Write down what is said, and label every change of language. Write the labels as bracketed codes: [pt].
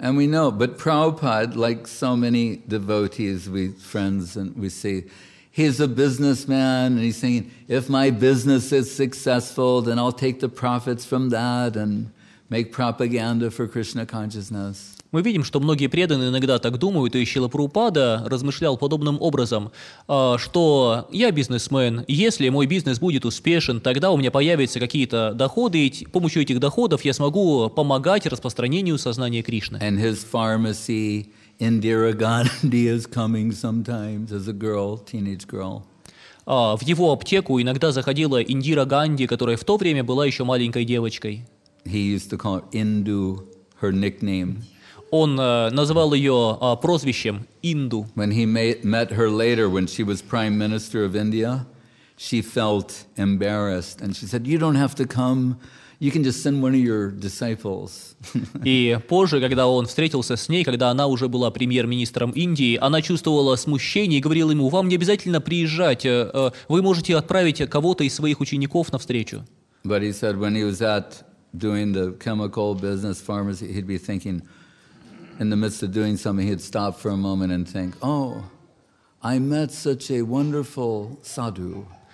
[en] And we know, but Prabhupada, like so many devotees, we friends and we see, he's a businessman and he's saying, if my business is successful, then I'll take the profits from that and make propaganda for Krishna consciousness. [ru] Мы видим, что многие преданные иногда так думают, и Шрила Прабхупада размышлял подобным образом, что я бизнесмен, если мой бизнес будет успешен, тогда у меня появятся какие-то доходы, и с помощью этих доходов я смогу помогать распространению сознания Кришны. [en] And his pharmacy Indira Gandhi is coming sometimes as a girl, teenage girl. [ru] В его аптеку иногда заходила Индира Ганди, которая в то время была еще маленькой девочкой. [en] He used to call Indu her nickname. [ru] Он называл ее прозвищем Инду. [en] When he met her later, when she was prime minister of India, she felt embarrassed, and she said, "You don't have to come. You can just send one of your disciples." [ru] И позже, когда он встретился с ней, когда она уже была премьер-министром Индии, она чувствовала смущение и говорила ему: «Вам не обязательно приезжать. Вы можете отправить кого-то из своих учеников на встречу». [en] But he said when he was at doing the chemical business pharmacy, he'd be thinking, in the midst of doing something, he'd stop for a moment and think, "Oh, I met such a wonderful sadhu."